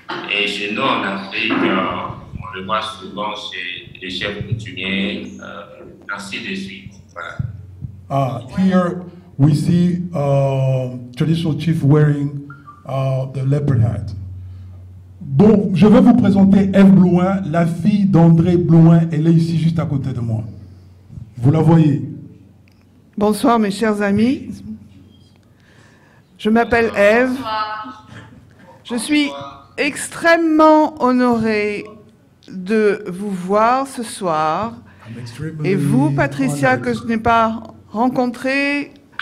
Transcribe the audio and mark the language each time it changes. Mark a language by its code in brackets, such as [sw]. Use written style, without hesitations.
[fr] Et chez nous en Afrique, on le voit souvent chez les chefs coutumiers, ainsi de suite. Voilà. [en] Here we see traditional chief wearing the leopard hat. [fr] Bon, je vais vous présenter Eve Blouin, la fille d'André Blouin. Elle est ici juste à côté de moi. Vous la voyez. Bonsoir, mes chers amis. Je m'appelle Eve. Je suis extrêmement honorée de vous voir ce soir. Et vous, Patricia, que je n'ai pas rencontrée,